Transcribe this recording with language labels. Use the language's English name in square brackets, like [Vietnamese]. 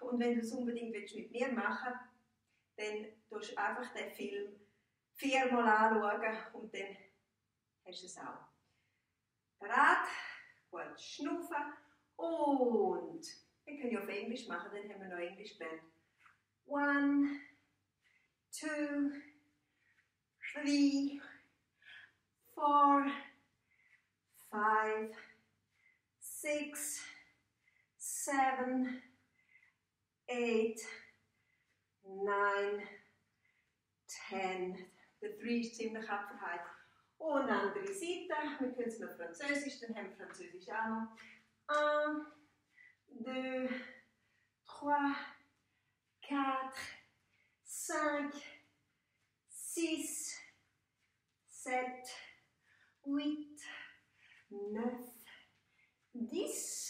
[German] Und wenn du es unbedingt willst mit mir machen, dann tust du einfach den Film viermal anschauen und dann hast du es auch. Bereit, gut schnaufen und wir können ja auf Englisch machen, dann haben wir noch Englisch gelernt. [English] One, two, three, four, five, six, seven, eight, nine, ten. [German] Der drei ist ziemlich abverhalten. Und andere Seite. Wir können es noch Französisch, dann haben wir Französisch auch noch. [French] Un, deux, trois, quatre, cinq, six, sept, huit, neuf, dix.